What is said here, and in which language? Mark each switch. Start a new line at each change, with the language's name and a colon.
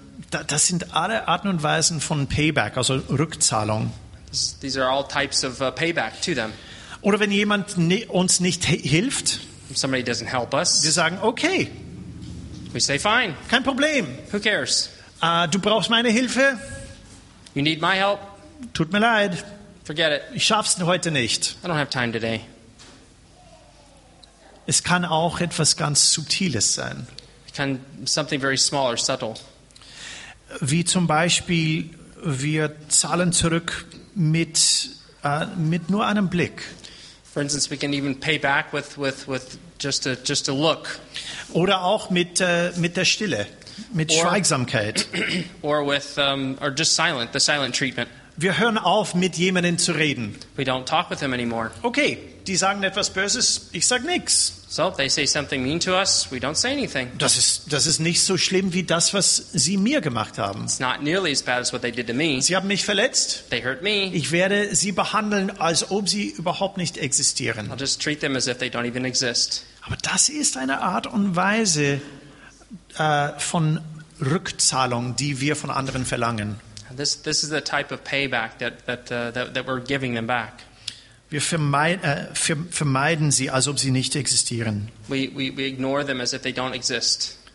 German: Das sind alle Arten und Weisen von Payback, also Rückzahlung.
English: These are all types of payback to them.
German: Oder wenn jemand uns nicht hilft.
English: If somebody doesn't help us.
German: Wir sagen, okay.
English: We say fine.
German: Kein Problem.
English: Who cares?
German: Du brauchst meine Hilfe.
English: You need my help.
German: Tut mir leid.
English: Forget it.
German: Ich schaff's heute nicht.
English: I don't have time today.
German: Es kann auch etwas ganz Subtiles sein.
English: It can something very small or subtle.
German: Wie zum Beispiel, wir zahlen zurück mit nur einem Blick.
English: For instance, we can even pay back with just a look.
German: Oder auch mit der Stille, mit Schweigsamkeit.
English: Or with or just silent, the silent treatment.
German: Wir hören auf, mit jemandem zu reden.
English: We don't talk with them anymore.
German: Okay, die sagen etwas Böses, ich sag nichts.
English: So, they say something mean to us, we don't say anything.
German: Das ist nicht so schlimm wie das, was sie mir gemacht haben.
English: It's not nearly as bad as what they did to me.
German: Sie haben mich verletzt.
English: They hurt me.
German: Ich werde sie behandeln, als ob sie überhaupt nicht existieren.
English: I'll just treat them as if they don't even exist.
German: Aber das ist eine Art und Weise von Rückzahlung, die wir von anderen verlangen.
English: This is the type of payback that we're giving them back.
German: Wir vermeiden sie, als ob sie nicht existieren.
English: We ignore them as if they don't exist.